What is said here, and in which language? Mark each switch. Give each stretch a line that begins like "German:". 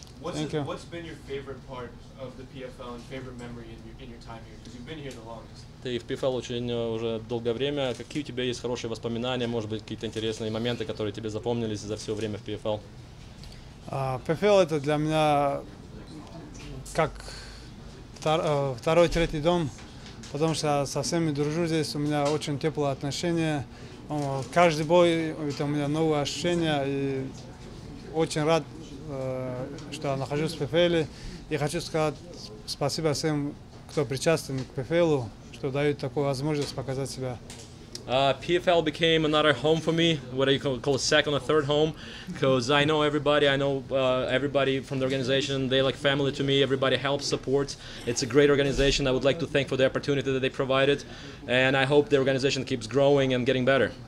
English: What's been your favorite part of the PFL and favorite memory in your time here? Because you've been here the longest.
Russian: Ты в PFL очень уже долгое время. Какие у тебя есть хорошие воспоминания, может быть, какие-то интересные моменты, которые тебе запомнились за все время в PFL? PFL это для меня как второй-третий дом, потому что я со всеми дружу здесь, у меня очень теплые отношения. Каждый бой это у меня новые ощущения и очень рад, что я нахожусь в PFL, и хочу сказать спасибо всем, кто причастен к PFL, что дают такую возможность показать себя.
English: PFL became another home for me, whether you call it second or third home, because I know everybody, everybody from the organization, they like family to me, everybody helps, supports. It's a great organization, I would like to thank for the opportunity that they provided, and I hope the organization keeps growing and getting better.